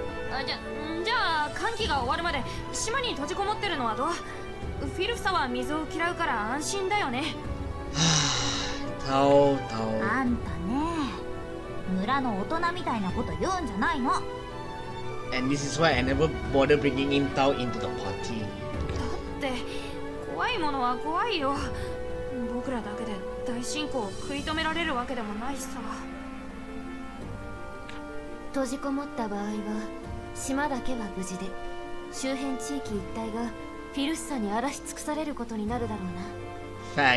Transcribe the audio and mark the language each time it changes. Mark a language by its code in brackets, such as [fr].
[ja] あ、じゃあ寒気が終わるまで島に閉じこもってるのはどう。フィルフサは水を嫌うから安心だよね。タオタオ、あんたね、村の大人みたいなこと言うんじゃないの。 [en] And this is why I never bother bringing in Tao into the party。 [ja] だって怖いものは怖いよ。僕らだけで大進行を食い止められるわけでもないしさ。閉じこもった場合は島だけは無事で、周辺地域一帯がフィルフサに荒らし尽くされることになるだろうな。